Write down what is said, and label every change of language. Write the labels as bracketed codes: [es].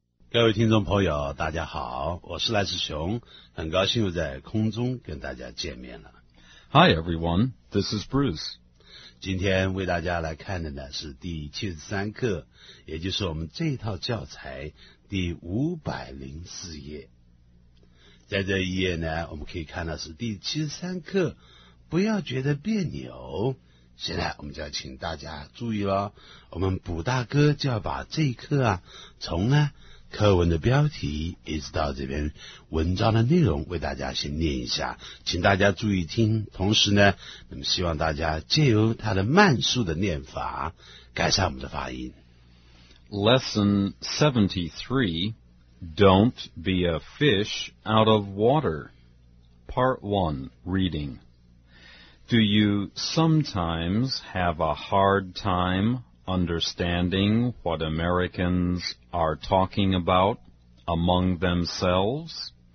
[zh] 各位听众朋友大家好，我是赖世雄，很高兴又在空中跟大家见面了。 [en] Hi everyone, this is Bruce. [zh] 今天为大家来看的呢是第73课，也就是我们这套教材第504页。在这一页呢，我们可以看到是第73课，不要觉得别扭。现在我们就要请大家注意咯，我们卜大哥就要把这一课啊，从呢课文的标题一直到这篇文章的内容为大家先念一下，请大家注意听。同时呢，那么希望大家借由他的慢速的念法改善我们的发音。 [en] Lesson 73 Don't be a fish out of water. Part 1 Reading. Do you sometimes have a hard time understanding what Americans are talking about among themselves?